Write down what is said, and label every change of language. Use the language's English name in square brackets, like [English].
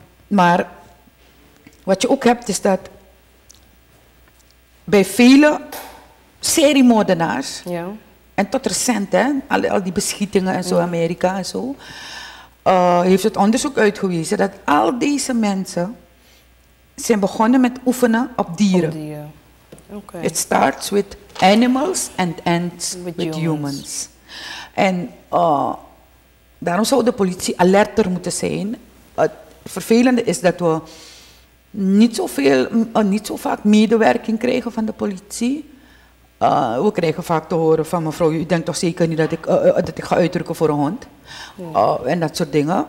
[Dutch] Maar wat je ook hebt is dat bij vele seriemoordenaars, ja, en tot recent, hè, al die beschietingen en zo, ja, Amerika en zo, heeft het onderzoek uitgewezen dat al deze mensen zijn begonnen met oefenen op dieren. Op dieren. Okay. [English] It starts with animals and ends with humans. [Dutch] En daarom zou de politie alerter moeten zijn. Het vervelende is dat we niet zo vaak medewerking krijgen van de politie. We krijgen vaak te horen van mevrouw, u denkt toch zeker niet dat ik ga uitdrukken voor een hond. Ja. En dat soort dingen.